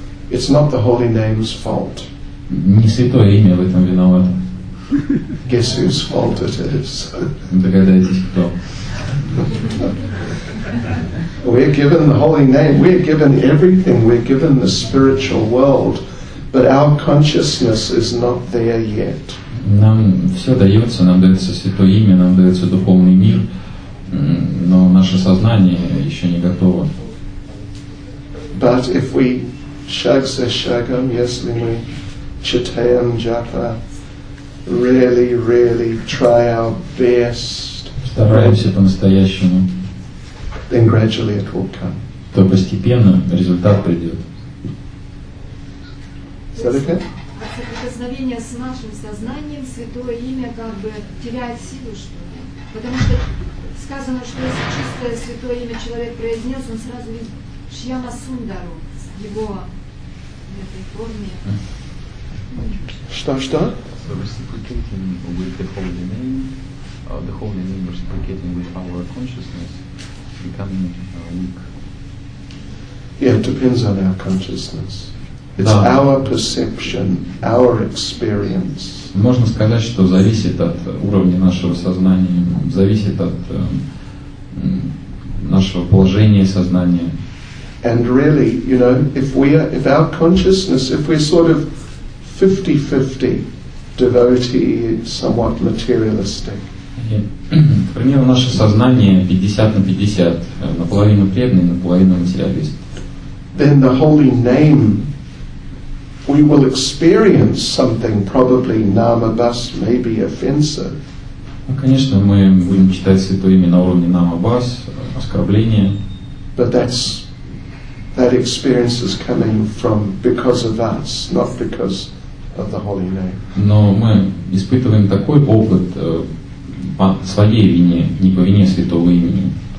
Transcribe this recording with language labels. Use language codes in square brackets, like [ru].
[en] It's not the holy name's fault. [ru] Не святое имя в этом виновато. [en] Guess whose fault it is. [ru] Догадайтесь, кто. [en] We're given the holy name, we're given everything, we're given the spiritual world. But our consciousness is not there yet. [ru] Нам все дается, нам дается святое имя, нам дается духовный мир, но наше сознание еще не готово. [en] But if we shagsa shagam, [ru] если мы читаем джапа, [en] really, really try our best, [ru] стараемся по-настоящему, [en] then gradually it will come. [ru] То постепенно результат придет. Соприкосновение с нашим сознанием, святое имя как бы теряет силу, что ли? Потому что сказано, что если чистое святое имя человек произнес, он сразу видит Шьяма Сундару в его этой форме. Что? [en] So reciprocating with the holy name reciprocating with our consciousness becoming weak. Yeah, it depends on our consciousness. It's our perception, our experience. [ru] Можно сказать, что зависит от уровня нашего сознания, зависит от нашего положения сознания. [en] And really, you know, if our consciousness, if we're sort of 50-50 devotee, somewhat materialistic. [ru] К примеру, наше сознание 50-50, наполовину преданный, наполовину материалист. [en] Then the holy name. We will experience something probably namabas, maybe offensive. [ru] Ну, конечно, мы будем читать святое имя на уровне намабас, оскорбление. [en] But that experience is coming from because of us, not because of the holy name. [ru] Но мы испытываем такой опыт по своей вине, не по вине святого имени.